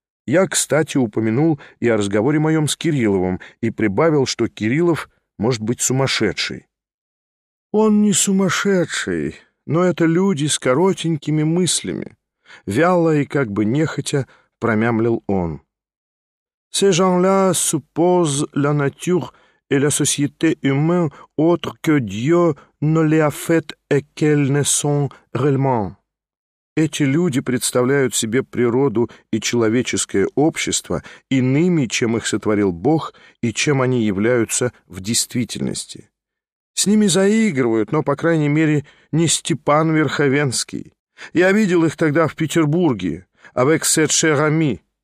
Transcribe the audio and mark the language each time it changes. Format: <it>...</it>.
<ru>Я, кстати, упомянул и о разговоре моем с Кирилловым и прибавил, что Кириллов может быть сумасшедший. «Он не сумасшедший!» Но это люди с коротенькими мыслями. Вяло и как бы нехотя промямлил он.</ru> <fr>«Ces gens-là supposent la nature et la société humaine autre que Dieu ne les a fait et qu'elles ne sont réellement».</fr> <ru>Эти люди представляют себе природу и человеческое общество иными, чем их сотворил Бог и чем они являются в действительности. С ними заигрывают, но, по крайней мере, не Степан Верховенский. Я видел их тогда в Петербурге,</ru> <fr>avec cette chère amie.</fr>